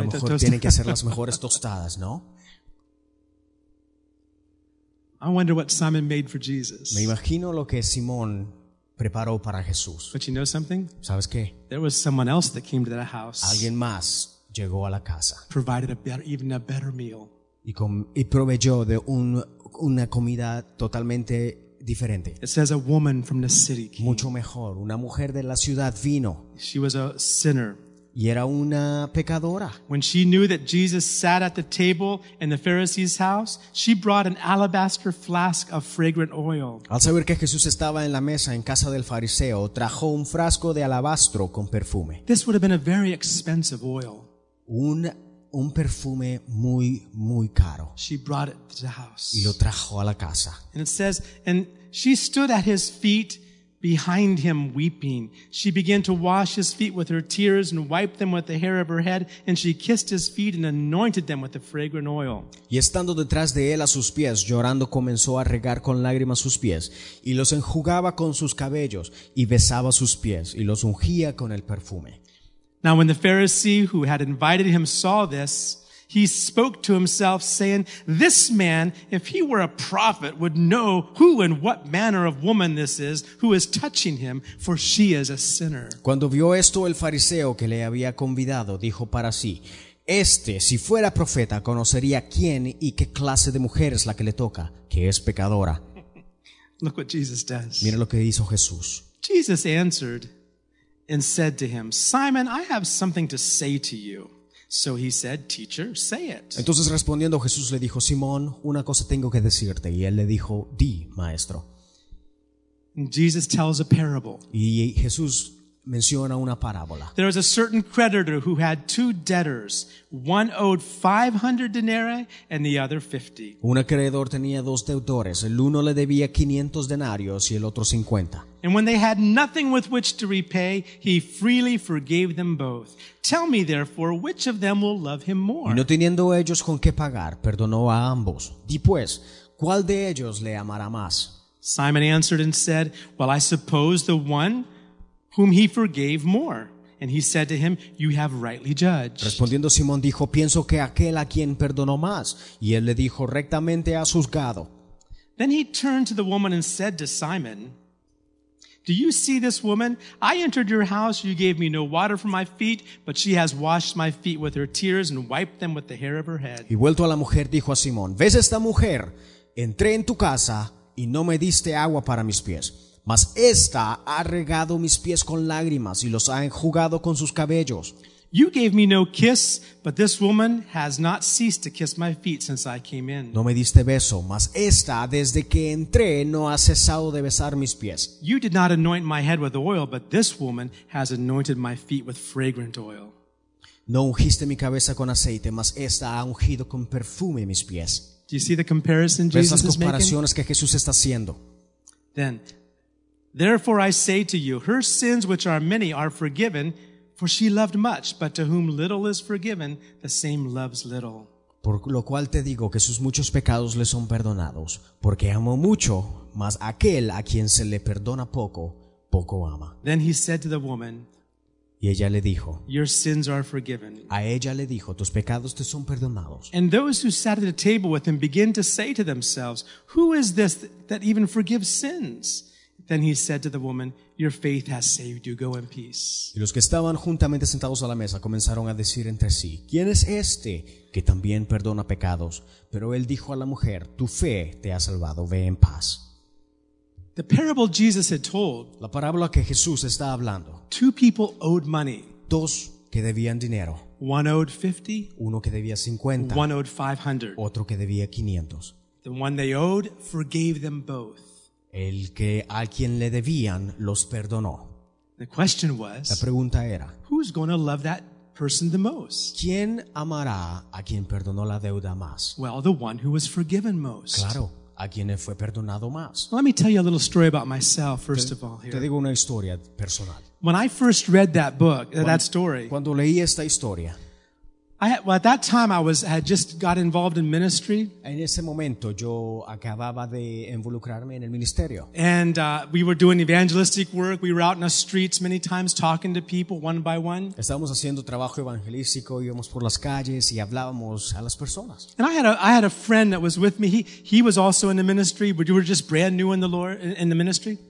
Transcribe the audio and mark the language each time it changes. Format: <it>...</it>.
<es>A lo mejor tiene que hacer las mejores tostadas, ¿no?</es> <en>I wonder what Simon made for Jesus.</en> <es>Me imagino lo que Simón preparó para Jesús.</es> <en>But you know something?</en> <es>¿Sabes qué?</es> <en>There was someone else that came to that house.</en> <es>Alguien más llegó a la casa.</es> <en>Provided a better meal.</en> <es>Y proveyó de una comida totalmente diferente.</es> <en>It says a woman from the city came.</en> <es>Mucho mejor. Una mujer de la ciudad vino.</es> <en>She was a sinner.</en> <es>Y era una pecadora.</es> <en>When she knew that Jesus sat at the table in the Pharisee's house, she brought an alabaster flask of fragrant oil.</en> <es>Al saber que Jesús estaba en la mesa en casa del fariseo, trajo un frasco de alabastro con perfume.</es> <en>This would have been a very expensive oil.</en> <es>Un perfume muy, muy caro.</es> <en>She brought it to the house.</en> <es>Y lo trajo a la casa.</es> <en>And it says, and she stood at his feet behind him weeping. She began to wash his feet with her tears and wiped them with the hair of her head, and she kissed his feet and anointed them with the fragrant oil.</en> <es>Y estando detrás de él a sus pies, llorando, comenzó a regar con lágrimas sus pies, y los enjugaba con sus cabellos, y besaba sus pies, y los ungía con el perfume.</es> <en>Now when the Pharisee who had invited him saw this, he spoke to himself, saying, "This man, if he were a prophet, would know who and what manner of woman this is who is touching him, for she is a sinner."</en> <es>Cuando vio esto el fariseo que le había convidado, dijo para sí, "Este, si fuera profeta, conocería quién y qué clase de mujer es la que le toca, que es pecadora."</es> <en>Look what Jesus does.</en> <es>Mira lo que hizo Jesús.</es> <en>Jesus answered and said to him, "Simon, I have something to say to you." So he said, "Teacher, say it."</en> <es>Entonces respondiendo Jesús le dijo, "Simón, una cosa tengo que decirte." Y él le dijo, "Di, maestro."</es> <en>Jesus tells a parable.</en> <es>Y Jesús menciona una parábola.</es> <en>There was a certain creditor who had two debtors. One owed 500 denarii and the other 50.</en> <es>Un acreedor tenía dos deudores. El uno le debía 500 denarios y el otro 50.</es> <en>And when they had nothing with which to repay, he freely forgave them both. Tell me therefore, which of them will love him more?</en> <es>Y no teniendo ellos con qué pagar, perdonó a ambos. Di pues, ¿cuál de ellos le amará más?</es> <en>Simon answered and said, "Well, I suppose the one whom he forgave more." And he said to him, "You have rightly judged."</en> <es>Respondiendo Simón dijo, "Pienso que aquel a quien perdonó más." Y él le dijo, "Rectamente has juzgado."</es> <en>Then he turned to the woman and said to Simon, "Do you see this woman? I entered your house. You gave me no water for my feet, but she has washed my feet with her tears and wiped them with the hair of her head."</en> <es>Y vuelto a la mujer dijo a Simón, "¿Ves esta mujer? Entré en tu casa y no me diste agua para mis pies. Mas esta ha regado mis pies con lágrimas y los ha enjugado con sus cabellos.</es> <en>You gave me no kiss, but this woman has not ceased to kiss my feet since I came in.</en> <es>No me diste beso, mas esta, desde que entré, no ha cesado de besar mis pies.</es> <en>You did not anoint my head with oil, but this woman has anointed my feet with fragrant oil.</en> <es>No ungiste mi cabeza con aceite, mas esta ha ungido con perfume mis pies."</es> <en>Do you see the comparison Jesus is making?</en> <es>¿Ves las comparaciones que Jesús está haciendo?</es> <en>Then, "Therefore I say to you, her sins, which are many, are forgiven, for she loved much. But to whom little is forgiven, the same loves little."</en> <es>Por lo cual te digo que sus muchos pecados le son perdonados, porque amó mucho, mas aquel a quien se le perdona poco, poco ama.</es> <en>Then he said to the woman,</en> <es>y ella le dijo,</es> <en>"Your sins are forgiven."</en> <es>A ella le dijo, "Tus pecados te son perdonados."</es> <en>And those who sat at the table with him begin to say to themselves, "Who is this that even forgives sins?" Then he said to the woman, "Your faith has saved you. Go in peace."</en> <es>Y los que estaban juntamente sentados a la mesa comenzaron a decir entre sí, "¿Quién es este que también perdona pecados?" Pero él dijo a la mujer, "Tu fe te ha salvado. Ve en paz."</es> <en>The parable Jesus had told.</en> <es>La parábola que Jesús está hablando.</es> <en>Two people owed money.</en> <es>Dos que debían dinero.</es> <en>One owed 50.</en> <es>Uno que debía 50.</es> <en>One owed 500.</en> <es>Otro que debía 500.</es> <en>The one they owed forgave them both.</en> <es>El que a quien le debían los perdonó.</es> <en>The question was,</en> <es>la pregunta era,</es> <en>who's going to love that person the most?</en> <es>¿Quién amará a quien perdonó la deuda más?</es> <en>Well, the one who was forgiven most.</en> <es>Claro, a quien fue perdonado más.</es> <en>Let me tell you a little story about myself, first of all. Here.</en> <es>Te digo una historia personal.</es> <en>When I first read that book, that story.</en> <es>Cuando leí esta historia.</es> <en>At that time, I had just got involved in ministry.</en> <es>En ese momento, yo acababa de involucrarme en el ministerio.</es> <en>And we were doing evangelistic work. We were out in the streets many times, talking to people one by one.</en> <es>Estábamos haciendo trabajo evangelístico, íbamos por las calles y hablábamos a las personas.</es> <en>And I had a friend that was with me. He was also in the ministry, but you were just brand new in the Lord in the ministry.</en>